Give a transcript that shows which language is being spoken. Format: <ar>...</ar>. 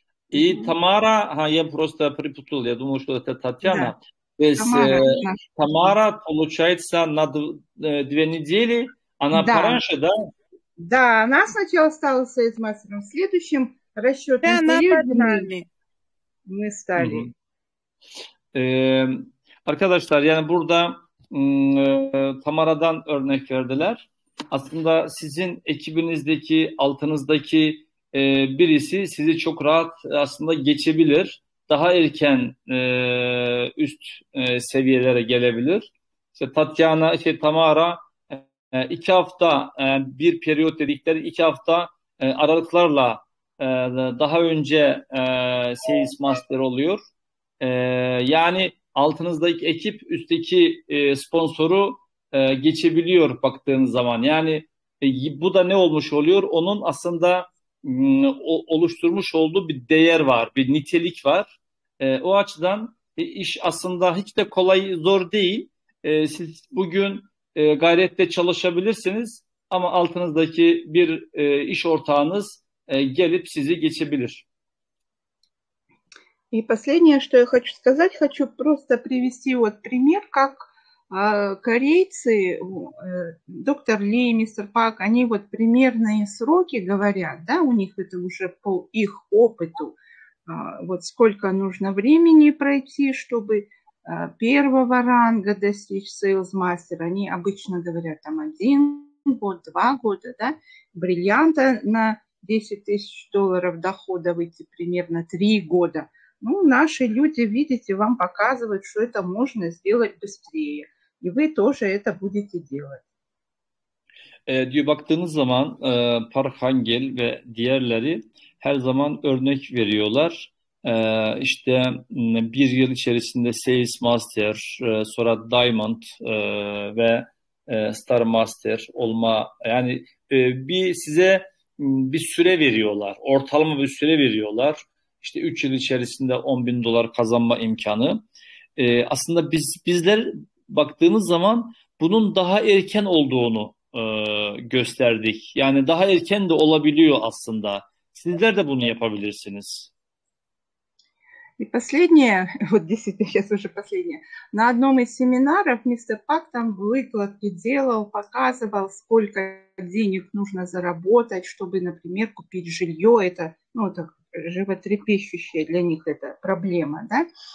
<ru>И Тамара, я просто припутал, я думал, что это Татьяна. Да. То есть Тамара, получается, на 2 недели, она пораньше, да? Да, она сначала стала сейлс-мастером, в следующем расчетном периоде мы стали.</ru> <tr>Arkadaşlar, yani burada Тамарадан örnek verdiler. Aslında sizin ekibinizdeki, altınızdaki birisi sizi çok rahat aslında geçebilir. Daha erken üst seviyelere gelebilir. İşte Tatyana, şey Tamara 2 hafta bir periyot dedikleri 2 hafta aralıklarla daha önce Sales Master oluyor. Yani altınızdaki ekip üstteki sponsoru geçebiliyor baktığınız zaman. Yani bu da ne olmuş oluyor? Onun aslında oluşturmuş olduğu bir değer var, bir nitelik var. O açıdan iş aslında hiç de kolay, zor değil. Siz bugün gayretle çalışabilirsiniz ama altınızdaki bir iş ortağınız gelip sizi geçebilir.</tr> <ru>И последнее, что я хочу сказать, хочу просто привести вот пример, как корейцы, доктор Ли, мистер Пак, они вот примерные сроки говорят, да, у них это уже по их опыту, вот сколько нужно времени пройти, чтобы первого ранга достичь sales master, они обычно говорят там 1 год, 2 года, да, бриллианта на 10 тысяч долларов дохода выйти примерно 3 года. Ну, наши люди, видите, вам показывают, что это можно сделать быстрее. И вы тоже это будете делать.</ru> <tr>Diyor baktığınız zaman Park Hangel ve diğerleri her zaman örnek veriyorlar. İşte bir yıl içerisinde Sales Master, sonra Diamond ve Star Master olma, yani bir size bir süre veriyorlar, ortalama bir süre veriyorlar. İşte 3 yıl içerisinde 10 bin dolar kazanma imkanı. Aslında bizler baktığınız zaman bunun daha erken olduğunu gösterdik. Yani daha erken de olabiliyor aslında. Sizler de bunu yapabilirsiniz.</tr> <ru>И последнее, вот действительно, сейчас уже последнее. На одном из семинаров мистер Пак там выкладки делал, показывал, сколько денег нужно заработать, чтобы, например, купить жилье. Это, ну, это животрепещущая для них эта проблема, да?</ru>